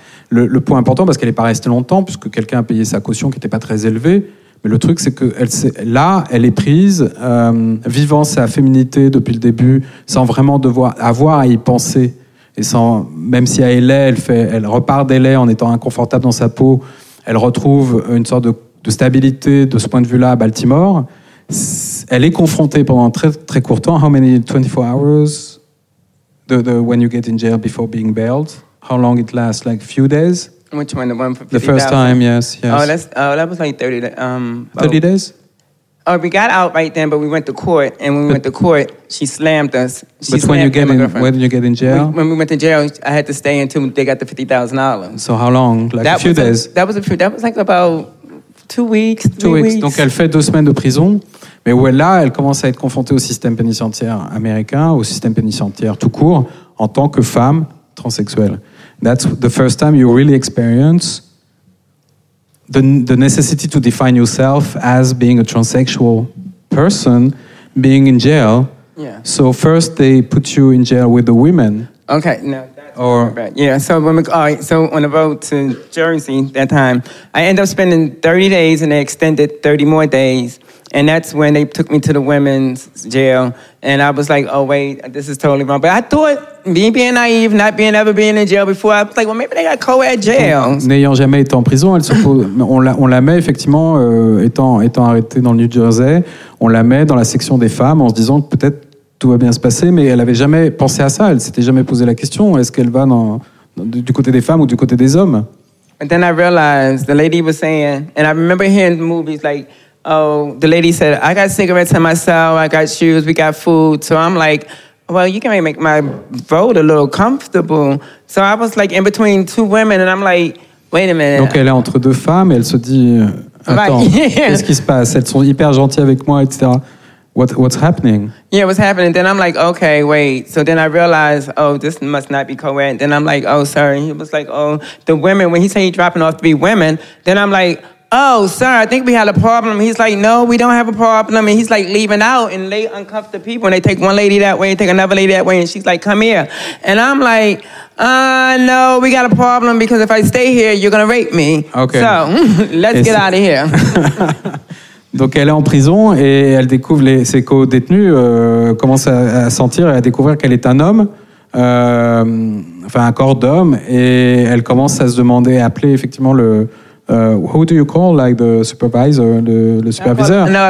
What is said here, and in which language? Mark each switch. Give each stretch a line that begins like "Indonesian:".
French: Le point important, parce qu'elle n'est pas restée longtemps, puisque quelqu'un a payé sa caution qui n'était pas très élevée, mais le truc, c'est que elle est prise, vivant sa féminité depuis le début, sans vraiment avoir à y penser, et sans, même si à LA, elle repart d'LA en étant inconfortable dans sa peau, elle retrouve une sorte de stabilité de ce point de vue-là à Baltimore. Elle est confrontée pendant très très court temps.
English: How many 24 hours? The when you get in jail before being bailed? How long it lasts? Like a few days? Which one? The one for 50, the first 000? Time? Yes, yes. Oh, that was like 30 days. Oh, we got out right then, but we went to court, and when we went to court, she slammed us. When you get in jail? When we went to jail, I had to stay until they got the $50,000. So how long? Like that a few days. That was like about. Two weeks.
French: Donc elle fait 2 semaines de prison, mais où elle là, elle commence à être confrontée au système pénitentiaire américain, au système pénitentiaire tout court, en tant que femme transsexuelle.
English: That's the first time you really experience the necessity to define yourself as being a transsexual person, being in jail. Yeah. So first they put you in jail with the women. Okay. No. Or yeah, so when so on the road to Jersey that time, I ended up spending 30 days and they extended 30 more days. And that's when they took me to the women's jail. And I was like, oh, wait, this is totally wrong. But I thought, being naive, not ever being in jail before, I was like, well, maybe they got co-ed jail.
French: N'ayant jamais été en prison, on la met effectivement, étant arrêtée dans le New Jersey, on la met dans la section des femmes en se disant que peut-être tout va bien se passer, mais elle n'avait jamais pensé à ça. Elle ne s'était jamais posé la question. Est-ce qu'elle va du côté des femmes ou du côté des hommes?
English: And then I realized the lady was saying, and I remember hearing the movies like, oh, the lady said, I got cigarettes in my cell, I got shoes, we got food. So I'm like, well, you can make my vote a little comfortable. So I was like in between two women and I'm like, wait a minute.
French: Donc elle est entre deux femmes et elle se dit, attends,
English: right.
French: Qu'est-ce qui se passe? Elles sont hyper gentilles avec moi, etc.
English: what's happening? Yeah, what's happening? Then I'm like, okay, wait. So then I realized, oh, this must not be co-ed. Then I'm like, oh, sir. And he was like, oh, the women, when he said he's dropping off three women, then I'm like, oh, sir, I think we had a problem. He's like, no, we don't have a problem. And he's like leaving out and they uncuff the people. And they take one lady that way, take another lady that way. And she's like, come here. And I'm like, no, we got a problem because if I stay here, you're going to rape me. Okay. So let's get out of here.
French: Donc elle est en prison et elle découvre ses co-détenus, commence à sentir et à découvrir qu'elle est un homme, enfin un corps d'homme, et elle commence à se demander, à appeler effectivement le...
English: who do you call, like the supervisor,
French: le superviseur?